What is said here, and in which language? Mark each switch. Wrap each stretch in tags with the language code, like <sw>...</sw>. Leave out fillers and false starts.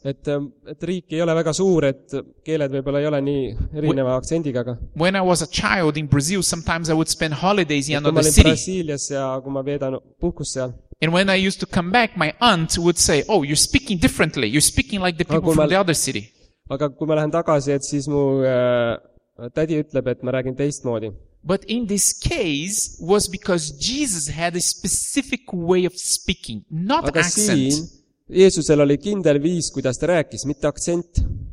<et>Et riik ei ole väga suur, et keeled võib-olla ei ole nii erineva aksendiga. Aga.</et> <en>When I was a child in Brazil, sometimes I would spend holidays in another city.</en> <et>Kui ma olin Brasiilias ja kui ma veedan puhkus seal.</et> <en>And when I used to come back, my aunt would say, oh, you're speaking differently. You're speaking like the people from the other city.</en> <et>Aga kui ma lähen tagasi, et siis mu tädi ütleb, et ma räägin teistmoodi.</et> <en>But in this case was because Jesus had a specific way of speaking, not</en> <et>aga</et> <en>accent.</en> <et>Siin, Jeesusel oli kindel viis, kuidas ta rääkis, mitte aksent.</et>